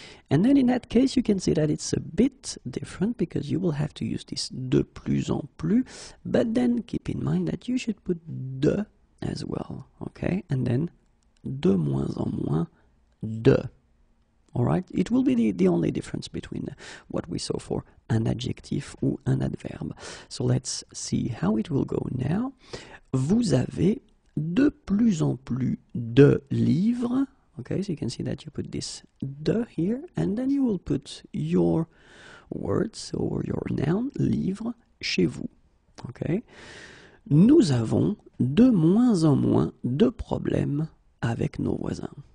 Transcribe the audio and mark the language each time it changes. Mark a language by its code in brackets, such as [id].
[en] And then in that case, you can see that it's a bit different, because you will have to use this [fr] de plus en plus, [en] but then keep in mind that you should put de as well, okay? And then [fr] de moins en moins, de, [en] all right? It will be the only difference between what we saw for an adjective ou an adverb. So let's see how it will go now. [fr] Vous avez de plus en plus de livres. [en] Okay, so you can see that you put this de here, and then you will put your words or your noun, livre, [fr] chez vous. Okay, nous avons de moins en moins de problèmes avec nos voisins.